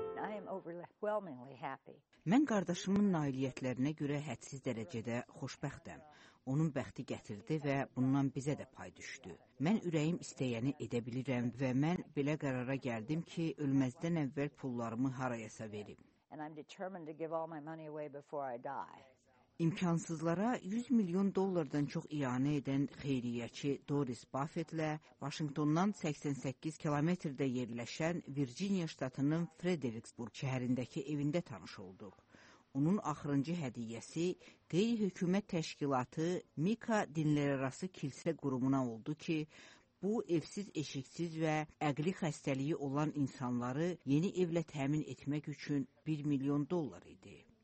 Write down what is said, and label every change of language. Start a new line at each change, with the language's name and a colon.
English: I am overwhelmingly happy.
Azerbaijani: Mən qardaşımın nailiyyətlərinə görə hədsiz dərəcədə xoşbəxtəm. Onun bəxti gətirdi və bundan bizə də pay düşdü. Mən ürəyim istəyəni edə bilirəm və mən belə qərara gəldim ki, ölməzdən əvvəl pullarımı harayasa verim.
English: And I'm determined to give all my money away before I die.
Azerbaijani: İmkansızlara 100 milyon dollardan çox ianə edən xeyriyyəçi Doris Buffettlə Vaşinqtondan 88 kilometrdə yerləşən Virginia ştatının Fredericksburg şəhərindəki evində tanış olduq. Onun axırıncı hədiyyəsi qeyri-hökumət təşkilatı Mika Dinlərarası Kilsə qurumuna oldu ki, bu evsiz, eşiksiz və əqli xəstəliyi olan insanları yeni evlə təmin etmək üçün 1 milyon dollar idi.